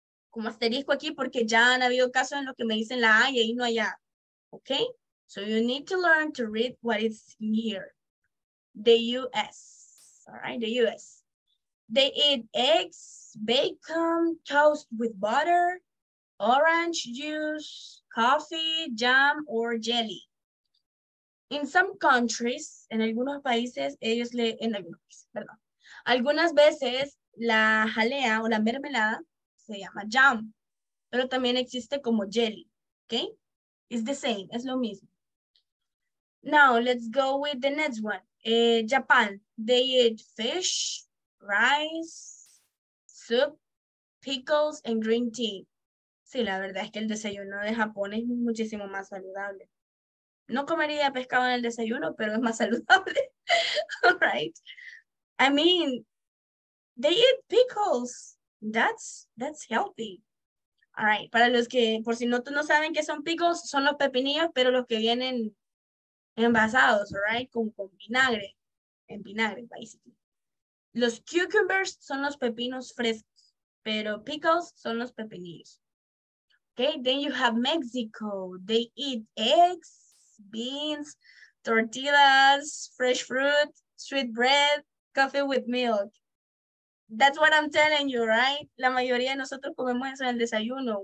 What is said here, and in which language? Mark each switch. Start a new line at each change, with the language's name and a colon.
Spanish: como asterisco aquí porque ya han habido casos en los que me dicen la A y ahí no hay A.
English: Ok. So you need to learn to read what is here. The US. All right. The US. They eat eggs, bacon, toast with butter, orange juice, coffee, jam, or jelly. In some countries,
Spanish: en algunos países, ellos le, en algunos países, perdón. Algunas veces la jalea o la mermelada se llama jam, pero también existe como jelly, okay?
English: It's the same,
Spanish: es lo mismo.
English: Now, let's go with the next one. Japan, they eat fish, rice, soup, pickles, and green tea.
Spanish: Sí, la verdad es que el desayuno de Japón es muchísimo más saludable. No comería pescado en el desayuno, pero es más saludable.
English: All right. I mean, they eat pickles. That's healthy. All right.
Spanish: Para los que, por si no saben qué son pickles, son los pepinillos, pero los que vienen envasados, all right, con vinagre. En vinagre, basically. Los cucumbers son los pepinos frescos, pero pickles son los pepinillos.
English: Okay, then you have Mexico. They eat eggs, beans, tortillas, fresh fruit, sweet bread, coffee with milk. That's what I'm telling you, right?
Spanish: La mayoría de nosotros comemos eso en el desayuno.